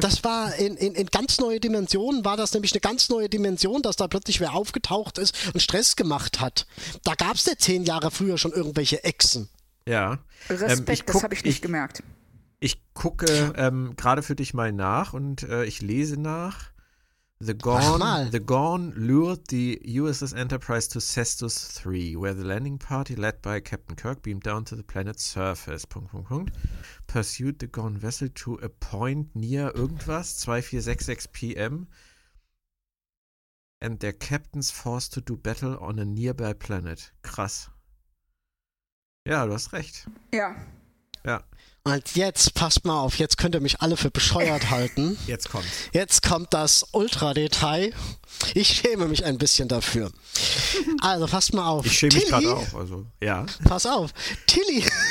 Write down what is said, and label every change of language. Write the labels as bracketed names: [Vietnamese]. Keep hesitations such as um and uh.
[German] Das war in, in, in ganz neue Dimensionen, war das nämlich eine ganz neue Dimension, dass da plötzlich wer aufgetaucht ist und Stress gemacht hat. Da gab es ja zehn Jahre früher schon irgendwelche Echsen. Ja. Ähm, Respekt, ich das guck- habe ich nicht gemerkt. Ich gucke ähm, gerade für dich mal nach und äh, ich lese nach. [English] The Gorn, [German] mal. [English] the Gorn lured the USS Enterprise to Cestus 3, where the landing party led by Captain Kirk beamed down to the planet's surface. [German] Punkt, Punkt, Punkt. [English] Pursued the Gorn vessel to a point near [German] irgendwas, [English] 2466 PM. And their captains forced to do battle on a nearby planet. [German] Krass. Ja, du hast recht. Ja. Ja, Und jetzt, passt mal auf, jetzt könnt ihr mich alle für bescheuert halten. jetzt kommt's. Jetzt kommt das Ultra-Detail. Ich schäme mich ein bisschen dafür. Also passt mal auf. Ich schäme mich Tilly- gerade auch. Also, ja. Pass auf, Tilly.